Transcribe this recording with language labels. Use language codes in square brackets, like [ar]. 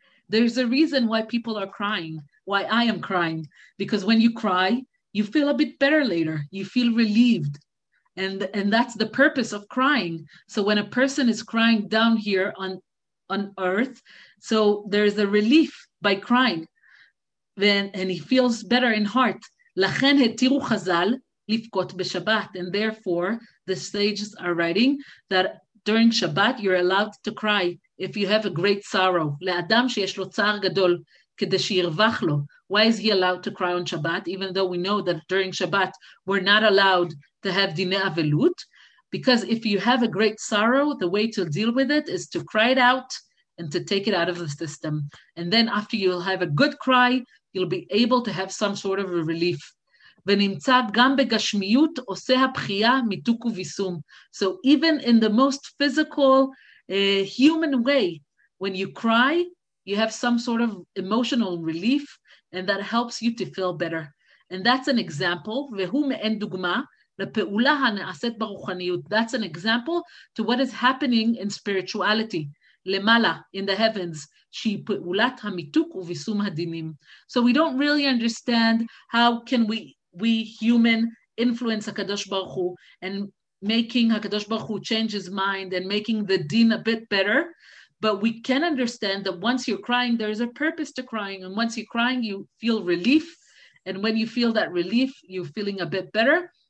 [en] There's a reason why people are crying, why I am crying, because when you cry, you feel a bit better later. You feel relieved. And that's the purpose of crying. So when a person is crying down here on earth, so there's a relief by crying. Then, and he feels better in heart. [he] לכן התירו חזל לבכות בשבת. [en] And therefore, the sages are writing that during Shabbat, you're allowed to cry if you have a great sorrow. [he] לאדם שיש לו צער גדול כדי שירווח לו. [en] Why is he allowed to cry on Shabbat? Even though we know that during Shabbat, we're not allowed to have dine avelut. Because if you have a great sorrow, the way to deal with it is to cry it out and to take it out of the system. And then after you'll have a good cry, you'll be able to have some sort of a relief. [he] ונמצא גם בגשמיות עושה הבחייה מיתוק וויסום. [en] So even in the most physical, human way, when you cry, you have some sort of emotional relief, and that helps you to feel better. And that's an example, [he] והוא מעין דוגמה לפעולה הנעשית ברוחניות. [en] That's an example to what is happening in spirituality. [he] למעלה, [en] in the heavens, [he] שהיא פעולת המיתוק וביסום הדינים. [en] So we don't really understand how can we human influence HaKadosh Baruch Hu and making HaKadosh Baruch Hu change his mind and making the din a bit better. But we can understand that once you're crying, there is a purpose to crying. And once you're crying, you feel relief. And when you feel that relief, you're feeling a bit better.